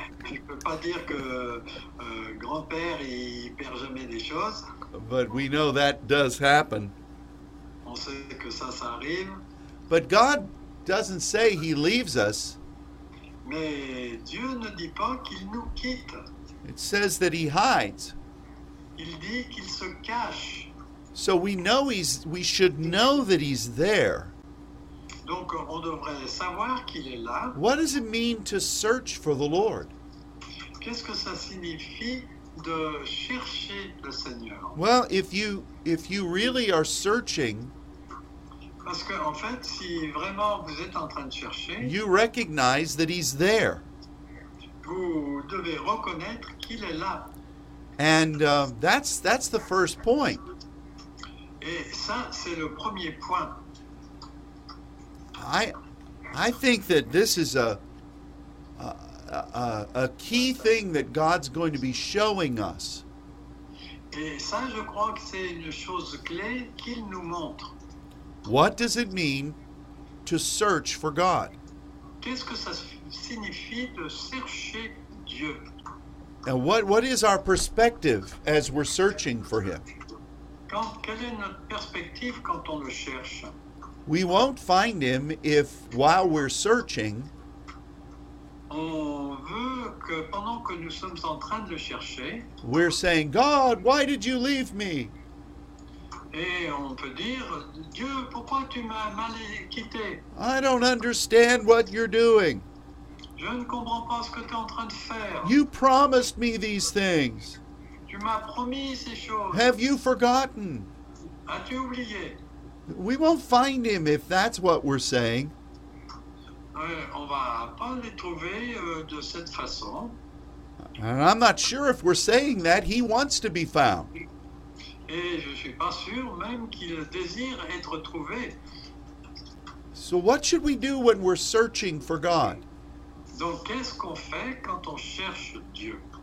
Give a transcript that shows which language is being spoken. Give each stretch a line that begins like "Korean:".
French: Je peux pas dire que grand-père il perd jamais des choses.
English: But we know that does happen.
French: On sait que ça, ça arrive.
English: But God doesn't say he leaves us.
French: Mais Dieu ne dit pas qu'il nous quitte.
English: It says that he hides.
French: Il dit qu'il se cache.
English: So we know we should know that he's there.
French: Donc on devrait savoir qu'il est là.
English: What does it mean to search for the Lord?
French: Qu'est-ce que ça signifie de chercher le Seigneur?
English: Well, if you really are searching,
French: parce que en fait, si vraiment vous êtes en train de chercher,
English: you recognize that he's there.
French: Vous devez reconnaître qu'il est là.
English: And that's the first point.
French: Et ça, c'est le premier point.
English: I think that this is a key thing that God's going to be showing us.
French: Et ça, je crois que c'est une chose clé qu'il nous montre.
English: What does it mean to search for God?
French: Qu'est-ce que ça signifie de chercher Dieu?
English: And what is our perspective as we're searching for him?
French: Quelle est notre perspective quand on le cherche?
English: We won't find him if, while we're searching,
French: on veut que pendant que nous sommes en train de le chercher,
English: we're saying, God, why did you leave me?
French: Et on peut dire, Dieu, pourquoi tu m'as mal quitté?
English: I don't understand what you're doing.
French: Je ne comprends pas ce que tu es en train de faire.
English: You promised me these things.
French: Tu m'as promis ces choses.
English: Have you forgotten?
French: As-tu oublié?
English: We won't find him if that's what we're saying.
French: On va pas les trouver de cette façon.
English: And I'm not sure if we're saying that he wants to be found.
French: Et je suis pas sûr même qu'il désire être trouvé.
English: So what should we do when we're searching for God?
French: Donc qu'est-ce qu'on fait quand on cherche Dieu?